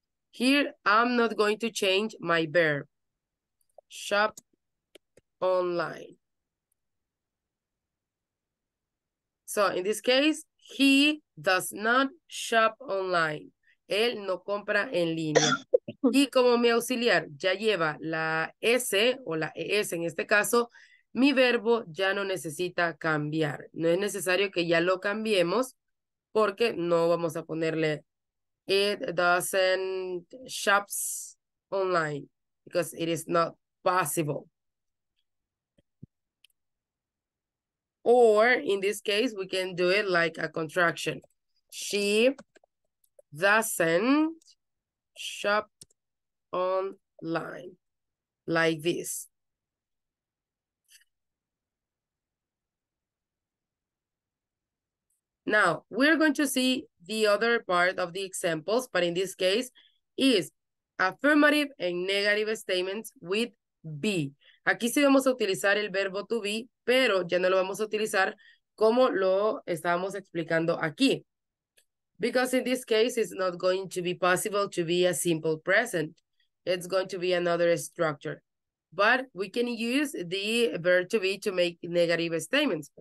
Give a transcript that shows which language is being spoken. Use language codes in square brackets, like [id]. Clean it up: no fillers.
[en] Here, I'm not going to change my verb. Shop online. So in this case, he does not shop online. [es] Él no compra en línea. Y como mi auxiliar ya lleva la S o la ES en este caso, mi verbo ya no necesita cambiar. No es necesario que ya lo cambiemos porque no vamos a ponerle [en] it doesn't shops online because it is not possible. Or in this case, we can do it like a contraction. She doesn't shop online like this. Now, we're going to see the other part of the examples, but in this case is affirmative and negative statements with be. [es] Aquí sí vamos a utilizar el verbo to be, pero ya no lo vamos a utilizar como lo estábamos explicando aquí. [en] Because in this case, it's not going to be possible to be a simple present. It's going to be another structure. But we can use the verb to be to make negative statements.